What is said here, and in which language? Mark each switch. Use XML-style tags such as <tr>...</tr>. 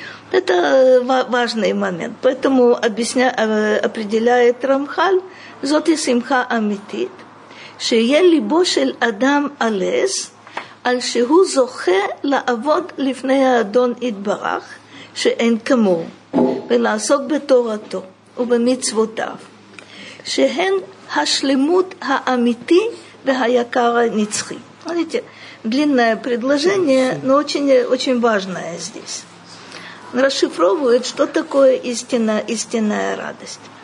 <ru>Это важный момент. Поэтому определяет Рамхаль,</ru> <he>«Зоти симха амитит». Шие либо шель адам алез, аль шигу зохе лаавод лифнея адон идбарах, шеэн камо. ולעסוק בתורתו ובמצוותיו, שהן השלמות האמיתי והיקר הנצחי.</he> <ru>Длинное предложение, но очень, очень важное здесь. Расшифровывает, что такое истина, истинная радость.</ru>